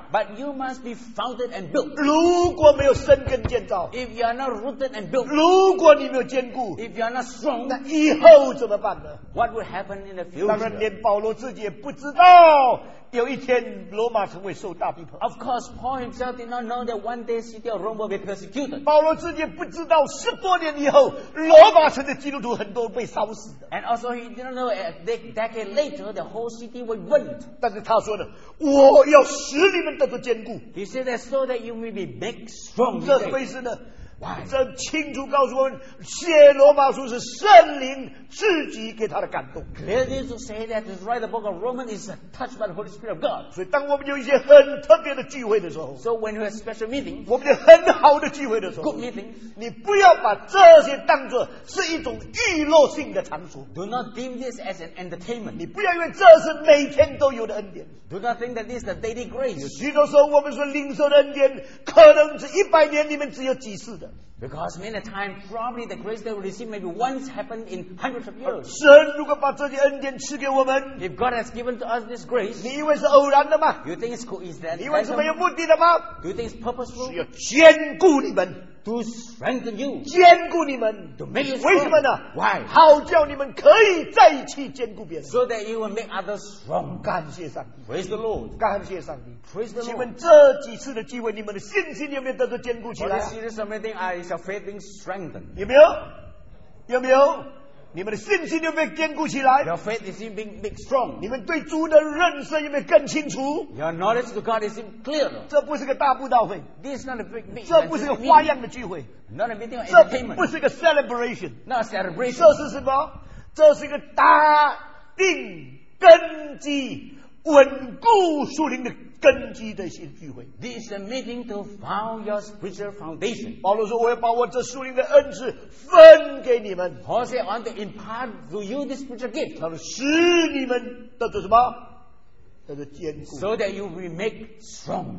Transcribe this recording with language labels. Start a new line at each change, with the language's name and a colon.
English: But you must be founded and built.
Chinese: 如果没有深根建造，
English: if you are not rooted and built,
Chinese: 如果你没有坚固，
English: if you are not strong,
Chinese: 那以后怎么办呢？
English: What will happen in the future?
Chinese: 当然连保罗自己也不知道有一天罗马城会受大逼迫。
English: Of course, Paul himself did not know that one day city of Rome will be persecuted.
Chinese: 保罗自己不知道十多年以后罗马城的基督徒很多被烧死的。
English: And also he did not know a decade later the whole city would burn.
Chinese: 但是他说的，我要使你们得到坚固。
English: He said that so that you may be made strong.
Chinese: 这什么意思呢？
English: Why?
Chinese: 这清楚告诉我们，写罗马书是圣灵自己给他的感动。
English: Clearly to say that to write the book of Romans is touched by the Holy Spirit of God.
Chinese: 所以当我们有一些很特别的聚会的时候，
English: So when we have special meeting,
Chinese: 我们有很好的聚会的时候，
English: Good meeting,
Chinese: 你不要把这些当作是一种娱乐性的场所。
English: Do not deem this as an entertainment.
Chinese: 你不要以为这是每天都有的恩典。
English: Do not think that this is a daily grace.
Chinese: 许多时候我们说领受的恩典可能是一百年里面只有几次的。
English: Because many times, probably the grace they will receive maybe once happened in hundreds of years.
Chinese: 神如果把这些恩典赐给我们，
English: if God has given to us this grace,
Chinese: 你以为是偶然的吗？
English: You think it's coincidental?
Chinese: 你以为是没有目的的吗？
English: Do you think it's purposeful?
Chinese: 是要坚固你们。
English: To strengthen you,
Chinese: 坚固你们
English: to make you strong.
Chinese: 为什么呢？
English: Why?
Chinese: 好叫你们可以再去坚固别人。
English: So that you will make others strong.
Chinese: 感谢上帝。
English: Praise the Lord.
Chinese: 感谢上帝。
English: Praise the Lord.
Chinese: 请问这几次的机会，你们的信心有没有得到坚固起来？
English: For this series of meeting, I shall faith being strengthened.
Chinese: 有没有？有没有？你们的信心有没有坚固起来？
English: Your faith is being made strong.
Chinese: 你们对主的认识有没有更清楚？
English: Your knowledge to God is clear.
Chinese: 这不是个大布道会。
English: This is not a big meeting.
Chinese: 这不是个花样的聚会。
English: Not a meeting.
Chinese: 这不是个 celebration.
English: Not a celebration.
Chinese: 这是什么？这是一个打定根基、稳固属灵的根基的一个聚会。
English: This is a meeting to found your spiritual foundation.
Chinese: 保罗说：“我要把我这属灵的恩赐分给你们。”
English: Paul said, "I want to impart to you this spiritual gift."
Chinese: 他说：“使你们得着什么？得着坚固。”
English: So that you will make strong.